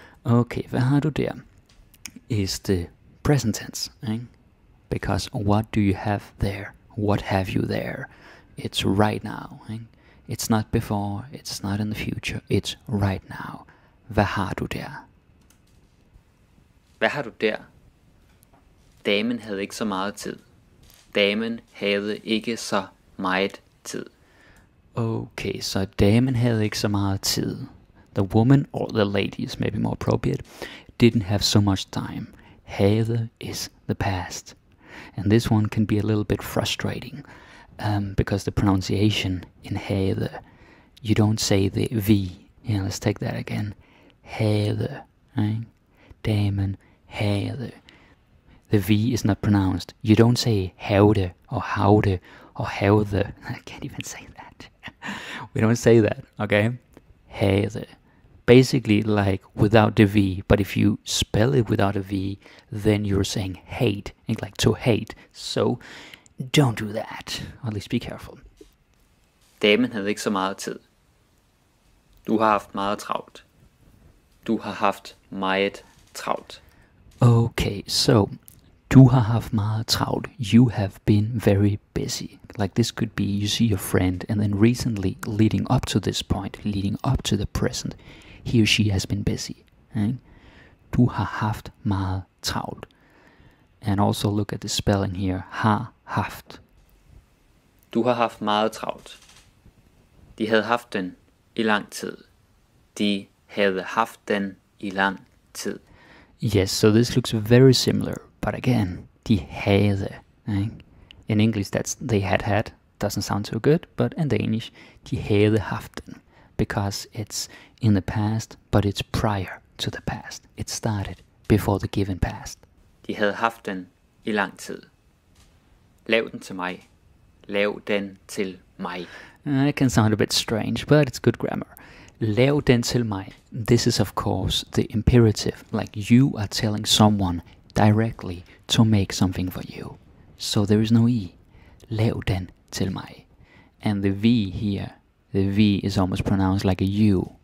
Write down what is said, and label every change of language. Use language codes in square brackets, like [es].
[da] Okay, hvad har du der? [en] Is the present tense, eh? Because what do you have there? What have you there? It's right now, eh? It's not before, it's not in the future, it's right now. [da] Hvad har du der? Hvad har du der? Damen havde ikke så meget tid. Damen havde ikke så meget tid. Okay, så damen havde ikke så meget tid. [en] The woman, or the lady is maybe more appropriate, didn't have so much time. Havde is the past. And this one can be a little bit frustrating, because the pronunciation in havde, you don't say the V. Yeah, let's take that again. Havde, right? [da] Damen havde. [en] The V is not pronounced. You don't say havde, or havde, or havde. I can't even say that. We don't say that, okay? havde. Basically, like without the V, but if you spell it without a V, then you're saying hate, and like to hate. So don't do that. Or at least be careful. [da] Damen havde ikke så meget tid. Du har haft meget travlt. Du har haft meget travlt. Okay, so du har haft meget travlt. [en] You have been very busy. Like this could be you see your friend, and then recently, leading up to this point, leading up to the present, he or she has been busy. Right? [da] Du har haft meget travlt. [en] And also look at the spelling here. [da] Har haft. Du har haft meget travlt. De havde haft den i lang tid. De havde haft den i lang tid. [en] Yes, so this looks very similar. But again, [da] de havde. [en] Right? In English, that's they had had. Doesn't sound so good. But in Danish, [da] de havde haft den. [en] Because it's in the past, but it's prior to the past. It started before the given past. [da] De havde haft den i lang tid. Lav den til mig. Lav den til mig. [en] It can sound a bit strange, but it's good grammar. [da] Lav den til mig. [en] This is, of course, the imperative. Like, you are telling someone directly to make something for you. So there is no E. [da] Lav den til mig. [en] And the V here, the V is almost pronounced like a U.